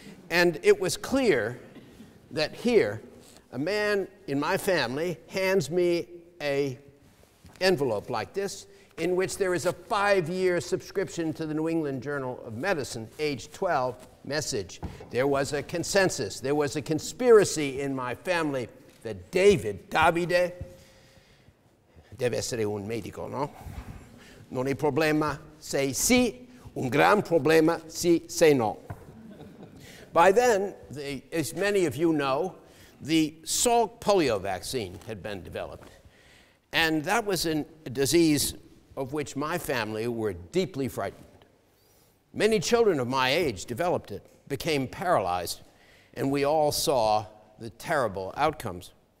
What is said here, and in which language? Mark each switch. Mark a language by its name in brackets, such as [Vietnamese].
[English] And it was clear that here, a man in my family hands me a envelope like this, in which there is a 5-year subscription to the New England Journal of Medicine, age 12, message. There was a consensus, there was a conspiracy in my family that Davide, [Italian] deve essere un medico, no? Non è problema se sì, un gran problema se se no. [English] By then, as many of you know, the Salk polio vaccine had been developed. And that was a disease of which my family were deeply frightened. Many children of my age developed it, became paralyzed, and we all saw the terrible outcomes.